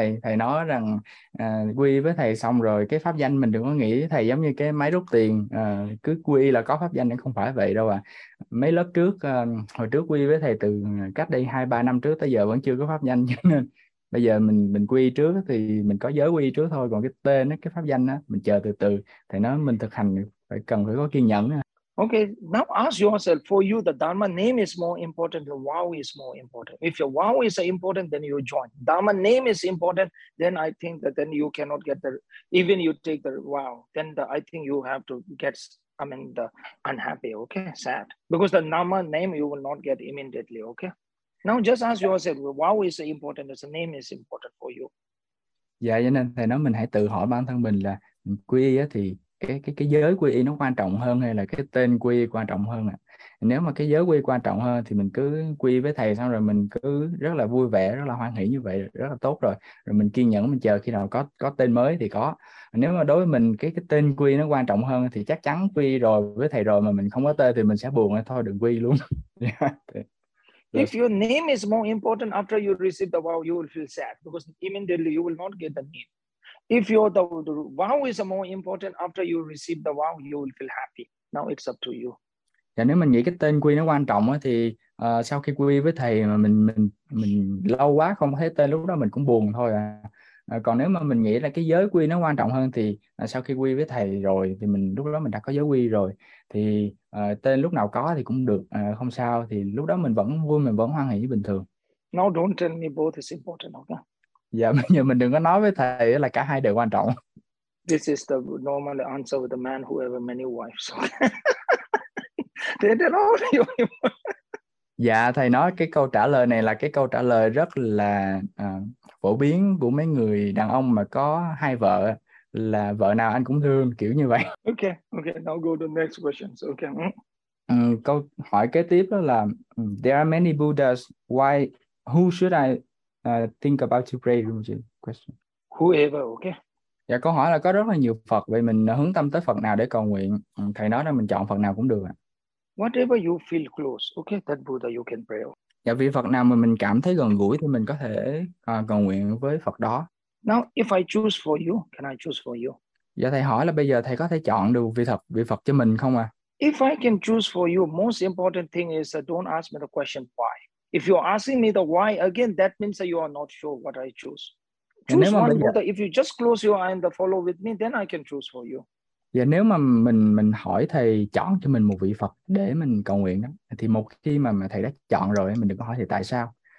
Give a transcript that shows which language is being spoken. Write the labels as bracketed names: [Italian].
[Vietnamese] Thầy nói rằng quy với thầy xong rồi cái pháp danh mình đừng có nghĩ thầy giống như cái máy rút tiền, cứ quy là có pháp danh, không phải vậy đâu ạ. Mấy lớp trước, hồi trước quy với thầy từ cách đây 2-3 năm trước tới giờ vẫn chưa có pháp danh, cho nên bây giờ mình quy trước thì mình có giới quy trước thôi, còn cái tên á, cái pháp danh á, mình chờ từ từ. Thầy nói mình thực hành phải cần phải có kiên nhẫn á. [English] Okay, now ask yourself, for you, the Dharma name is more important, your vow is more important. If your vow is important, then you join. Dharma name is important, then I think that then you cannot get the, even you take the vow, then I think you have to get, I mean, the unhappy, okay, sad. Because the Dharma name, you will not get immediately, okay? Now just ask yourself, vow is important, the name is important for you. [Vietnamese] Dạ, cho nên thầy nói mình hãy tự hỏi bản thân mình là mình quy y á, thì cái giới quy y nó quan trọng hơn hay là cái tên quy y quan trọng hơn ạ? Nếu mà cái giới quy y quan trọng hơn thì mình cứ quy với thầy xong rồi mình cứ rất là vui vẻ, rất là hoan hỷ như vậy rất là tốt rồi. Rồi mình kiên nhẫn, mình chờ khi nào có tên mới thì có. Nếu mà đối với mình cái tên quy y nó quan trọng hơn thì chắc chắn quy y rồi với thầy rồi mà mình không có tên thì mình sẽ buồn rồi. Thôi đừng quy y luôn. [English] If your name is more important after you receive the vow, you will feel sad because immediately you will not get the name. If your the vow is more important after you receive the vow, you will feel happy. Now it's up to you. [Vietnamese] Và nếu mình nghĩ cái tên quy nó quan trọng á, thì sau khi quy với thầy mà mình lâu quá không thấy tên, lúc đó mình cũng buồn thôi à. Còn nếu mà mình nghĩ là cái giới quy nó quan trọng hơn thì sau khi quy với thầy rồi thì mình lúc đó mình đã có giới quy rồi thì tên lúc nào có thì cũng được, không sao, thì lúc đó mình vẫn vui, mình vẫn hoan hỷ bình thường. [English] Now don't tell me both is important, okay? [Vietnamese] Dạ, bây giờ mình đừng có nói với thầy là cả hai đều quan trọng. [English] This is the normal answer with a man who have many wives. Okay? They tell all your [Vietnamese] Dạ, thầy nói cái câu trả lời này là cái câu trả lời rất là phổ biến của mấy người đàn ông mà có hai vợ, là vợ nào anh cũng thương, kiểu như vậy. [English] Okay, now go to the next question. Okay. [Vietnamese] Câu hỏi kế tiếp đó là [English] there are many Buddhas, why, who should I think about to pray? Question. Whoever, okay. [Vietnamese] Dạ, câu hỏi là có rất là nhiều Phật, vậy mình hướng tâm tới Phật nào để cầu nguyện? Thầy nói là mình chọn Phật nào cũng được ạ. [English] Whatever you feel close, okay, that Buddha you can pray. [Vietnamese] Dạ, vị Phật nào mà mình cảm thấy gần gũi thì mình có thể cầu nguyện với Phật đó. [English] Now, if I choose for you, can I choose for you? [Vietnamese] Dạ, thầy hỏi là bây giờ thầy có thể chọn được vị Phật cho mình không ạ? [English] If I can choose for you, most important thing is that don't ask me the question why. If you're asking me the why again, that means that you are not sure what I choose. [Vietnamese] Dạ, nếu mà bây [English] one [Vietnamese] giờ [English] Buddha. If you just close your eye and follow with me, then I can choose for you. [Vietnamese] Dạ, nếu mà mình hỏi thầy chọn cho mình một vị Phật để mình cầu nguyện đó, thì một khi mà thầy đã chọn rồi mình đừng có hỏi thầy tại sao.